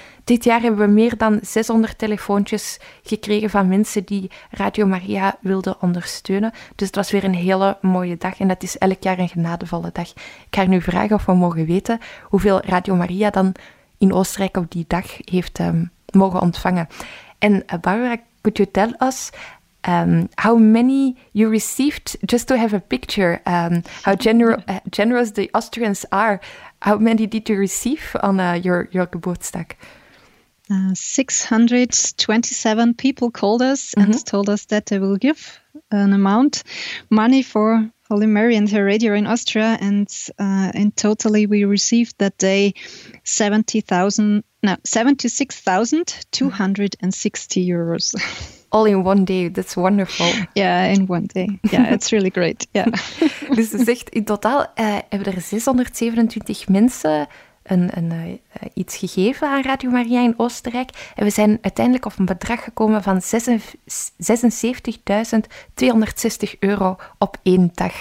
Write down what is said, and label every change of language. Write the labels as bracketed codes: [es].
[nl] Dit jaar hebben we meer dan 600 telefoontjes gekregen van mensen die Radio Maria wilden ondersteunen. Dus het was weer een hele mooie dag en dat is elk jaar een genadevolle dag. Ik ga nu vragen of we mogen weten hoeveel Radio Maria dan in Oostenrijk op die dag heeft mogen ontvangen. [en] En Barbara, could you tell us how many you received, just to have a picture, how generous the Austrians are, how many did you receive on your Geburtstag? 627 people called us and told us that they will give an amount money for Holy Mary and her radio in Austria. And in totally, we received that day 76,260 euros. All in one day, that's wonderful. Yeah, in one day. Yeah, it's really great. Yeah. [nl] Dus ze zegt, in totaal hebben er 627 mensen iets gegeven aan Radio Maria in Oostenrijk. En we zijn uiteindelijk op een bedrag gekomen van 76.260 euro op één dag.